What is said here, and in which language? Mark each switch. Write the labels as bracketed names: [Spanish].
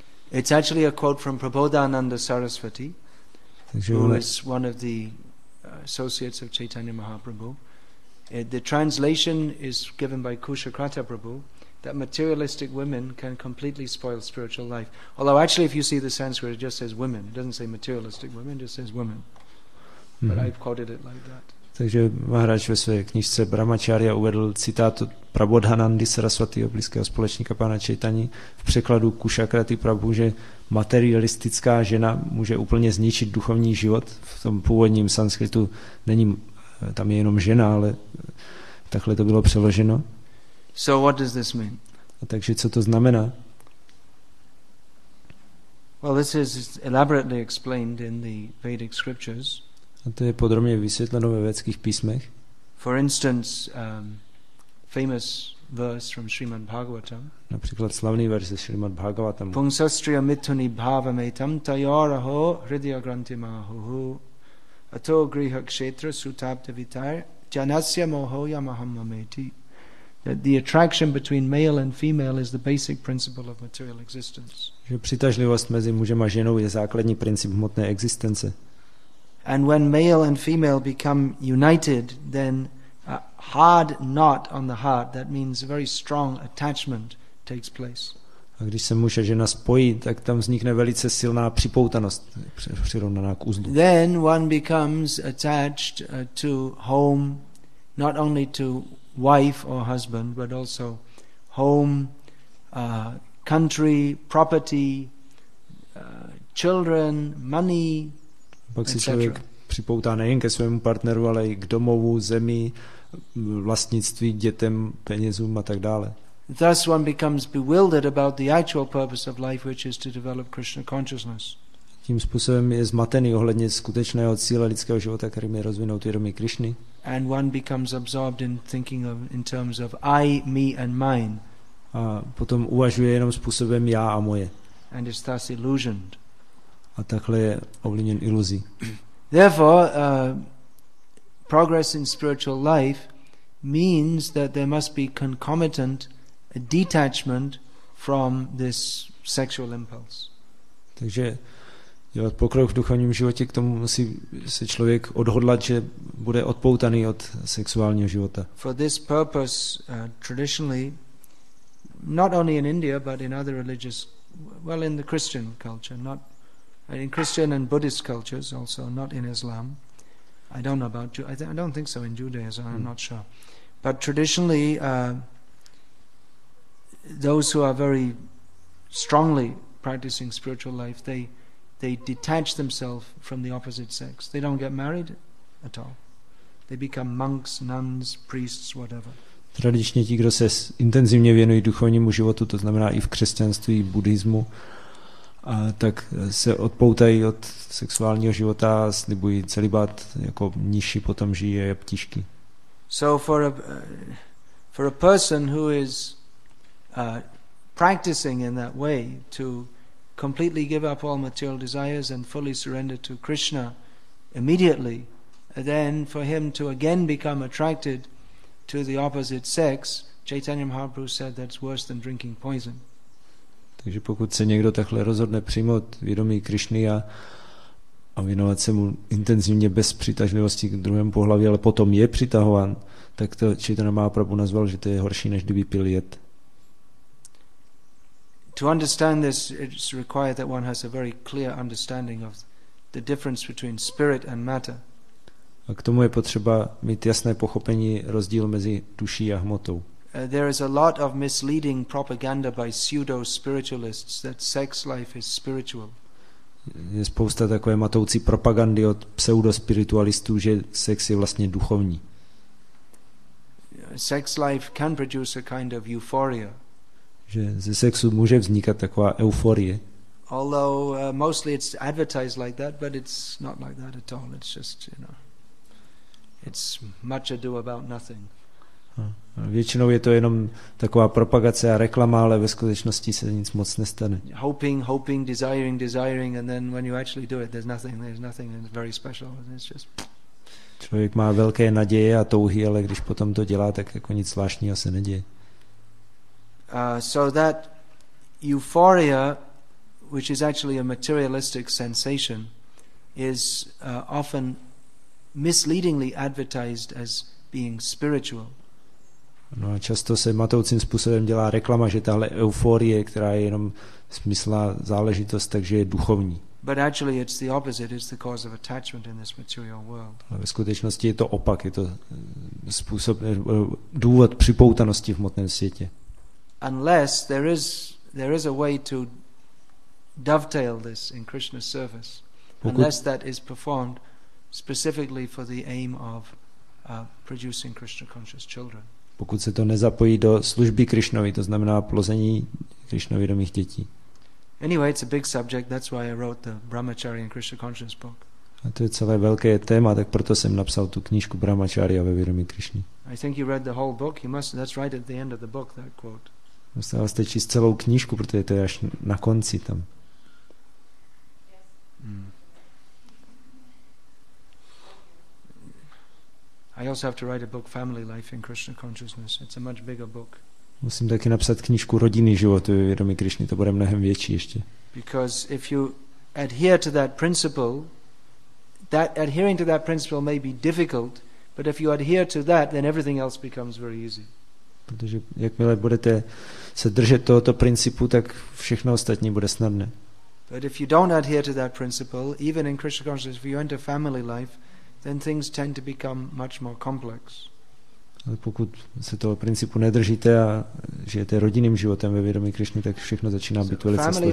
[English] It's actually a quote from Prabodhananda Saraswati, who is one of the associates of Chaitanya Mahaprabhu. The translation is given by Kushakrata Prabhu, that materialistic women can completely spoil spiritual life. Although actually if you see the Sanskrit, it just says women. It doesn't say materialistic women, it just says women. But I've quoted it like that. [Czech] Takže Maharaj ve své knižce Brahmacharya uvedl citát od Prabodhanandy Sarasvatýho, blízkého společníka pána Čejtaní, v překladu Kušakraty Prabhu, že materialistická žena může úplně zničit duchovní život. V tom původním sanskritu není, tam je jenom žena, ale takhle to bylo přeloženo. [English] So what does this mean? [Czech] A takže co to znamená? [English] Well, this is elaborately explained in the Vedic scriptures. [Czech] A to je podrobně vysvětleno ve vědeckých písmech. [English] For instance, famous verse from Srimad Bhagavatam. [Czech] Například slavný verš ze Srimad Bhagavatam. [Sanskrit] Pungsastriya mituni bhavametam tayoraho hridya grantim ahuhu ato griha kshetra sutapta vitar janasya moho yamaham mameti. [English] That the attraction between male and female is the basic principle of material existence. [Czech] Že přitažlivost mezi mužem a ženou je základní princip hmotné existence. [English] And when male and female become united, then a hard knot on the heart, that means a very strong attachment, takes place. [Czech] A když se muž a žena spojí, tak tam vznikne velice silná připoutanost, přirovnaná k uzlu. [English] Then one becomes attached to home, not only to wife or husband, but also home, country, property, children, money, [Czech] pak si člověk připoutá nejen ke svému partneru, ale i k domovu, zemi, vlastnictví, dětem, penězům a tak dále. [English] Thus one becomes bewildered about the actual purpose of life, which is to develop Krishna consciousness. [Czech] Tím způsobem je zmatený ohledně skutečného cíle lidského života, kterým je rozvinout vědomí Krišny. [English] And one becomes absorbed in thinking of in terms of I, me and mine. [Czech] A potom uvažuje jenom způsobem já a moje. [English] And is thus illusioned. [Czech] A takhle je ovlivněn iluzí. [English] Therefore, progress in spiritual life means that there must be concomitant a detachment from this sexual impulse. [Czech] Takže dělat pokrok v duchovním životě, k tomu musí se člověk odhodlat, že bude odpoutaný od sexuálního života. [English] For this purpose, traditionally, not only in India, but in other religious, well, in the Christian culture, not in Christian and Buddhist cultures also, not in Islam. I don't know about you. I don't think so in Judaism. I'm not sure. But traditionally, those who are very strongly practicing spiritual life, they detach themselves from the opposite sex. They don't get married at all. They become monks, nuns, priests, whatever. [Czech] Tradičně ti, kdo se intenzivně věnují duchovnímu životu, to znamená i v křesťanství, buddhismu, a tak se odpoutají od sexuálního života a slibují celibát, jako mniši potom žijí a ptíšky. [English] So for a person who is practicing in that way to completely give up all material desires and fully surrender to Krishna immediately, then for him to again become attracted to the opposite sex, Chaitanya Mahaprabhu said that's worse than drinking poison. [Czech] Takže pokud se někdo takhle rozhodne přijmout vědomí Krišny a věnovat se mu intenzivně bez přitažlivosti k druhému pohlaví, ale potom je přitahovan, tak to Chaitanya Mahaprabhu nazval, že to je horší, než kdyby pil jed. [English] To understand this, it's required that one has a very clear understanding of the difference between spirit and matter. [Czech] A k tomu je potřeba mít jasné pochopení rozdíl mezi duší a hmotou. [English] There is a lot of misleading propaganda by pseudo-spiritualists that sex life is spiritual. [Czech] Je spousta takové matoucí propagandy od pseudo-spiritualistů, že sex je vlastně duchovní. [English] Sex life can produce a kind of euphoria. [Czech] Že ze sexu může vznikat taková euforie. [English] Although mostly it's advertised like that, but it's not like that at all. It's just, you know, it's much ado about nothing. [Czech] Většinou je to jenom taková propagace a reklama, ale ve skutečnosti se nic moc nestane. [English] Hoping, desiring, and then when you actually do it, there's nothing very special. It's just... [Czech] Člověk má velké naděje a touhy, ale když potom to dělá, tak jako nic zvláštního se neděje. [English] So that euphoria, which is actually a materialistic sensation, is often misleadingly advertised as being spiritual. [Czech] No a často se matoucím způsobem dělá reklama, že tahle euforie, která je jenom smyslná záležitost, takže je duchovní. [English] But actually it's the opposite, it's the cause of attachment in this material world. [Czech] Ale ve skutečnosti je to opak, je to způsob, důvod připoutanosti v hmotném světě. [English] Unless there is a way to dovetail this in Krishna's service, unless that is performed specifically for the aim of producing Krishna conscious children. [Czech] Pokud se to nezapojí do služby Krišnovi, to znamená plození Krišnovědomých dětí. [English] Anyway, it's a big subject, that's why I wrote the Brahmachari and Krishna conscious book. [Czech] A to je celé velké téma, tak proto jsem napsal tu knížku Brahmachari a ve vědomí Krišny. [English] I think you read the whole book. You must. That's right at the end of the book. That quote. [Czech] Musel jste číst celou knížku, protože to je až na konci tam. [English] I also have to write a book, Family Life in Krishna Consciousness. It's a much bigger book. [Czech] Musím taky napsat knížku Rodinný život ve vědomí Krišny. To bude mnohem větší ještě. [English] Because if you adhere to that principle, that adhering to that principle may be difficult, but if you adhere to that, then everything else becomes very easy. [Czech] Protože jakmile budete se držet tohoto principu, tak všechno ostatní bude snadné. [English] But if you don't adhere to that principle, even in Krishna consciousness, if you enter family life, then things tend to become much more complex. [Czech] Ale pokud se toho principu nedržíte a žijete rodinným životem ve vědomí Krišny, tak všechno začíná být velice složité.